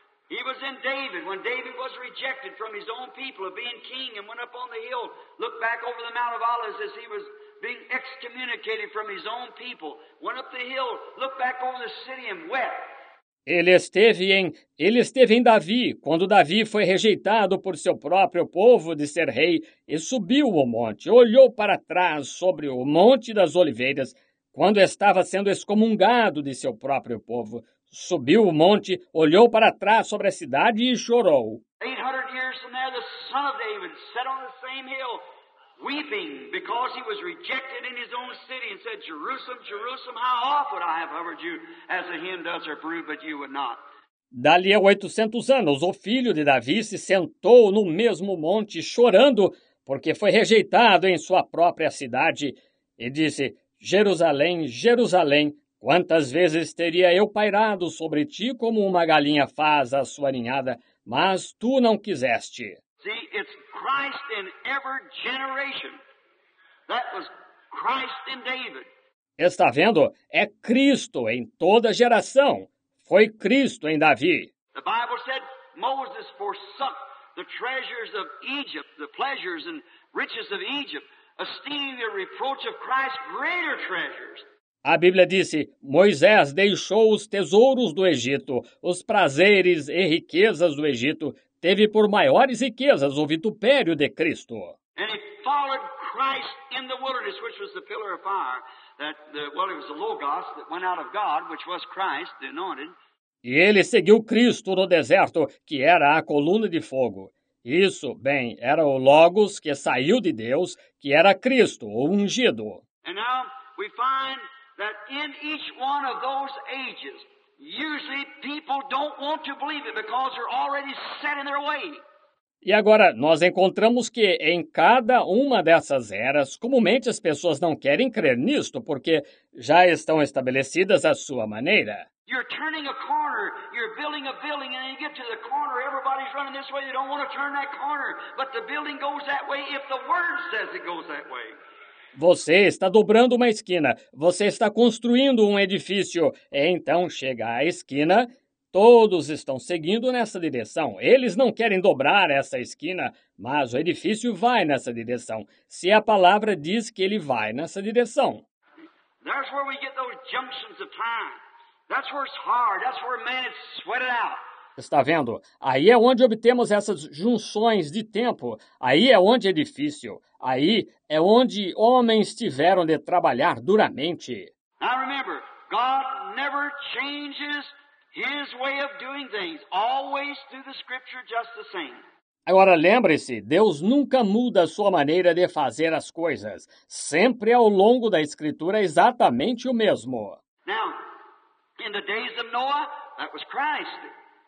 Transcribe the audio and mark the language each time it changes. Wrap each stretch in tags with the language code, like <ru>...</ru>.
<en>He was in David, when David was rejected from his own people of being king and went up on the hill, looked back over the Mount of Olives as he was being excommunicated from his own people, went up the hill, looked back over the city and wept.</en> <pt>Ele esteve em Davi, quando Davi foi rejeitado por seu próprio povo de ser rei, e subiu o monte, olhou para trás sobre o Monte das Oliveiras, quando estava sendo excomungado de seu próprio povo. Subiu o monte, olhou para trás sobre a cidade e chorou.</pt> <en>800 years from there, the son of David sat on the same hill, weeping because he was rejected in his own city and said, Jerusalem, Jerusalem, how often I have hovered you as a hen does her brood, but you would not.</en> <pt>Dali a 800 anos, o filho de Davi se sentou no mesmo monte chorando porque foi rejeitado em sua própria cidade e disse, Jerusalém, Jerusalém, quantas vezes teria eu pairado sobre ti como uma galinha faz a sua ninhada, mas tu não quiseste.</pt> <en>See, it's Christ in every generation. That was Christ in David.</en> <pt>Está vendo? É Cristo em toda geração. Foi Cristo em Davi.</pt> <en>The Bible said Moses forsook the treasures of Egypt, the pleasures and riches of Egypt, esteeming the reproach of Christ greater treasures.</en> <pt>A Bíblia disse, Moisés deixou os tesouros do Egito, os prazeres e riquezas do Egito, teve por maiores riquezas o vitupério de Cristo.</pt> <en>And he followed Christ in the wilderness, which was the pillar of fire, it was the Logos that went out of God, which was Christ, the anointed.</en> <pt>E ele seguiu Cristo no deserto, que era a coluna de fogo. Isso, bem, era o Logos que saiu de Deus, que era Cristo, o ungido.</pt> <en>And now we find that in each one of those ages, usually people don't want to believe it because they're already set in their way.</en> <pt>E agora nós encontramos que em cada uma dessas eras, comumente as pessoas não querem crer nisto porque já estão estabelecidas à sua maneira.</pt> <en>You're turning a corner, you're building a building, and then you get to the corner, everybody's running this way, they don't want to turn that corner, but the building goes that way if the word says it goes that way.</en> <pt>Você está dobrando uma esquina, você está construindo um edifício, e então chega à esquina, todos estão seguindo nessa direção. Eles não querem dobrar essa esquina, mas o edifício vai nessa direção, se a palavra diz que ele vai nessa direção.</pt> <en>That's where we get those junctions of time. That's where it's hard. That's where man is sweated out.</en> <pt>Está vendo? Aí é onde obtemos essas junções de tempo. Aí é onde é difícil. Aí é onde homens tiveram de trabalhar duramente.</pt> <en>Now remember, God never changes his way of doing things, always through the scripture just the same.</en> <pt>Agora lembre-se, Deus nunca muda a sua maneira de fazer as coisas. Sempre ao longo da escritura é exatamente o mesmo.</pt> <en>Now, in the days of Noah, that was Christ.</en>